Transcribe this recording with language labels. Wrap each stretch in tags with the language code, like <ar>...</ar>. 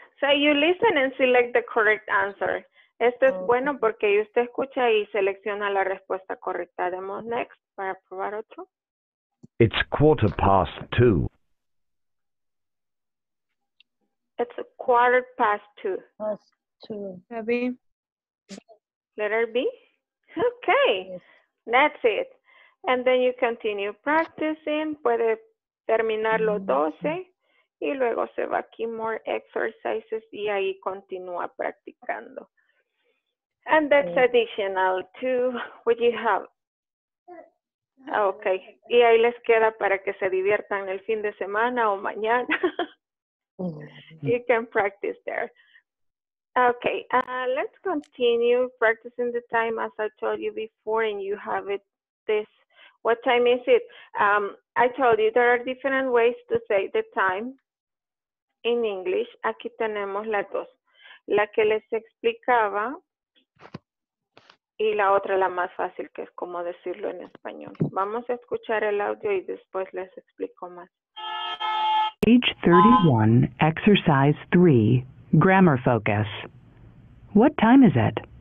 <en>So you listen and select the correct answer.</en> <es>Esto es bueno porque usted escucha y selecciona la respuesta correcta. Demos next para probar otro.</es> <en>It's 2:15. It's 2:15. Letter B. Okay. Yes. That's it. And then you continue practicing.</en> <es>Puede terminar los 12 y luego se va aquí more exercises y ahí continúa practicando.</es> <en>And that's additional to what you have. Okay.</en> <es>Y ahí les queda para que se diviertan el fin de semana o mañana.</es> <en>You can practice there. Okay. Let's continue practicing the time as I told you before, and you have it this. What time is it? I told you there are different ways to say the time in English.</en> <es>Aquí tenemos las dos. La que les explicaba y la otra, la más fácil, que es como decirlo en español. Vamos a escuchar el audio y después les explico más.</es> <en>Page 31, exercise 3, grammar focus. What time is it?</en>